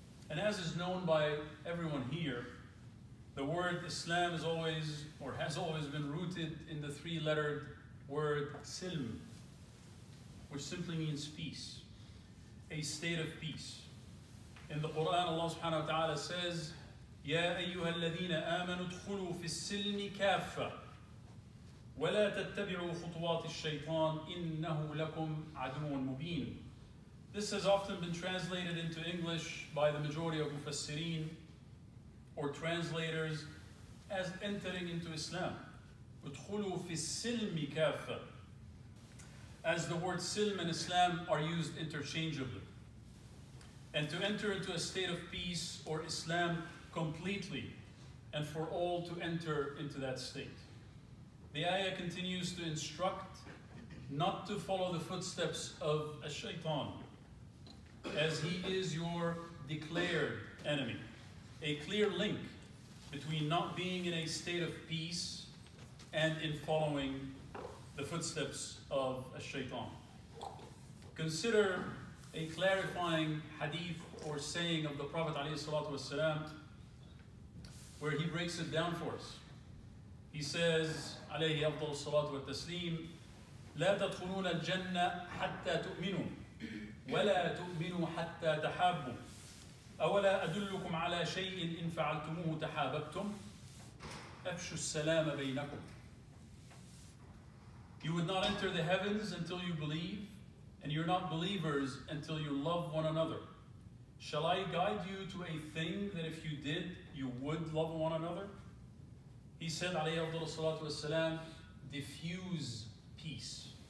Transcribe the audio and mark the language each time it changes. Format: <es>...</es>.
<en>And as is known by everyone here, the word Islam is always, or has always been rooted in the three-lettered word silm, which simply means peace, a state of peace. In the Quran, Allah subhanahu wa ta'ala says,</en> <ar>يَا أَيُّهَا الَّذِينَ آمَنُوا ادْخُلُوا فِي السِّلْمِ كَافَّةً وَلَا تَتَّبِعُوا خُطُوَاتِ الشَّيْطَانِ إِنَّهُ لَكُمْ عَدُوٌ مُبِينٌ.</ar> <en>This has often been translated into English by the majority of mufassirin or translators as entering into Islam.</en> <ar>ادْخُلُوا فِي السِّلْمِ كَافَّةً.</ar> <en>As the word silm and Islam are used interchangeably. And to enter into a state of peace or Islam completely, and for all to enter into that state. The ayah continues to instruct not to follow the footsteps of a shaitan, as he is your declared enemy. A clear link between not being in a state of peace and in following the footsteps of a shaitan. Consider a clarifying hadith or saying of the Prophet alayhi salatu wasalam, where he breaks it down for us. He says,</en> <ar>عليه أفضل الصلاة والتسليم, لا تدخلون الجنة حتى تؤمنوا ولا تؤمنوا حتى تحابوا أولا أدلكم على شيء إن فعلتموه تحاببتم أفشوا السلام بينكم.</ar> <en>You would not enter the heavens until you believe, and you're not believers until you love one another. Shall I guide you to a thing that if you did, you would love one another? He said, alayhi afdhalu salatu wassalam, diffuse peace.</en>